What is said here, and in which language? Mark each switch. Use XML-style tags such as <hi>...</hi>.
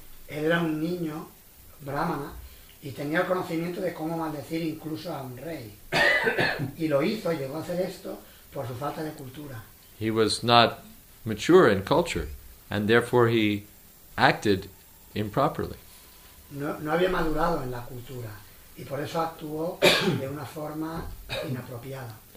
<es>él era un niño brahmana y tenía el conocimiento de cómo maldecir incluso a un rey. Y lo hizo, llegó a hacer esto por su falta de cultura.</es> <en>He was not mature in culture, and therefore he acted improperly.</en> <es>No había madurado en la cultura, y por eso actuó de una forma inapropiada.</es>